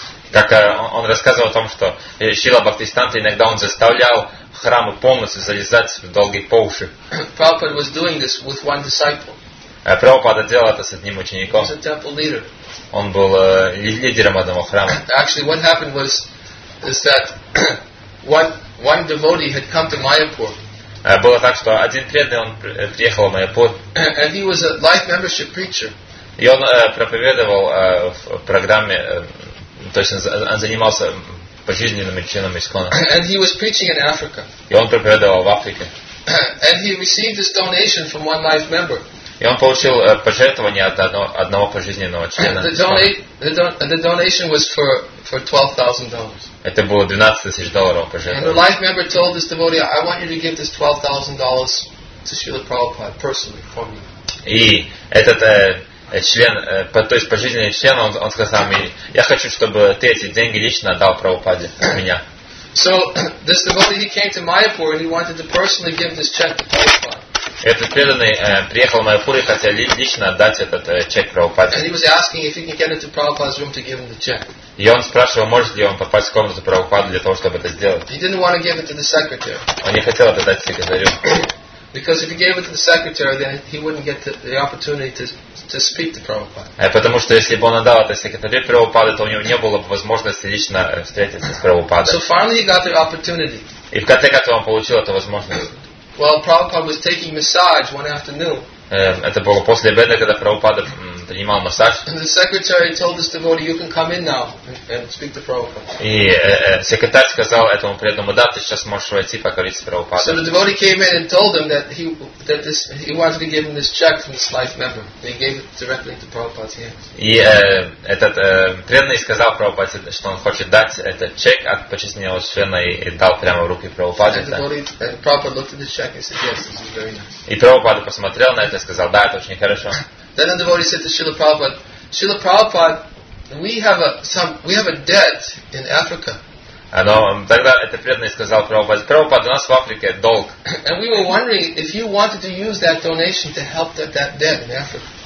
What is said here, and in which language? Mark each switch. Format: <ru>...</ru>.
<ru>Как он рассказывал о том, что Шрила Бхактисиддханта иногда он заставлял храмы полностью залезать в долги по уши.</ru> <en>Prabhupada was doing this with one disciple.</en> <ru>Prabhupada делал это с одним учеником.</ru> <en>He was a temple leader.</en> <ru>Он был лидером одного храма.</ru> <en>Actually, what happened was is that one devotee had come to Mayapur.</en> <ru>Было так, что один преданный он приехал в Майяпур.</ru> <en>And he was a life membership preacher.</en> <ru>И он проповедовал в программе. То есть он занимался пожизненными членами Искона.</ru> <en>And he was preaching in Africa.</en> <ru>И он проповедовал в Африке.</ru> <en>And he received this donation from one life member.</en> <ru>И он получил пожертвование от одного пожизненного члена.</ru> <en>The donation was for $12,000.</en> <ru>Это было $12,000 пожертвование.</ru> <en>And the life member told this devotee, I want you to give this $12,000 to Srila Prabhupada personally for me.</en> <ru>И этот член, то есть пожизненный член, он сказал мне, я хочу, чтобы ты эти деньги лично отдал Прабхупаде от меня.</ru> <en>So this devotee he came to Mayapur and he wanted to personally give this check to Prabhupada.</en> <ru>этот преданный приехал в Майяпур и хотел лично отдать этот чек Прабхупаде.</ru> <en>And he was asking if he can get into Prabhupada's room to give him the check.</en> <ru>И он спрашивал, может ли он попасть в комнату Прабхупады для того, чтобы это сделать.</ru> <en>He didn't want to give it to the secretary.</en> <ru>Он не хотел это дать секретарю.</ru> <en>Because if he gave it to the secretary, then he wouldn't get the opportunity to speak to Prabhupada.</en> <ru>Потому что если бы он отдал это секретарю Прабхупады, то у него не было бы возможности лично встретиться с Прабхупадой.</ru> <en>So finally he got the opportunity.</en> <ru>И в конце концов он получил эту возможность.</ru> <en>Well, Prabhupada was taking massage one afternoon.</en> <ru>Это было после обеда, когда Прабхупада принимал массаж.</ru> <en>And the secretary told this devotee, "You can come in now and speak to Prabhupada."</en> <ru>И секретарь сказал этому преданному, "Да, ты сейчас можешь войти поговорить с Прабхупадой."</ru> <en>So the devotee came in and told him that he wanted to give him this check from this life member. They gave it directly to Prabhupada's hands.</en> <ru>И этот преданный сказал Прабхупаде, что он хочет дать этот чек от почтенного члена и дал прямо в руки Прабхупаде.</ru> <en>And Prabhupada looked at the check and said, "Yes, this is very nice."</en> <ru>И Прабхупада посмотрел на это и сказал, "Да, это очень хорошо."</ru> <en>Then the devotee said to Srila Prabhupada, "Srila Prabhupada, we have a debt in Africa."</en> <ru>Тогда этот преданный сказал Прабхупаде, "Прабхупада, у нас в Африке долг."</ru> <en>And we were wondering if you wanted to use that donation to help that debt in Africa.</en>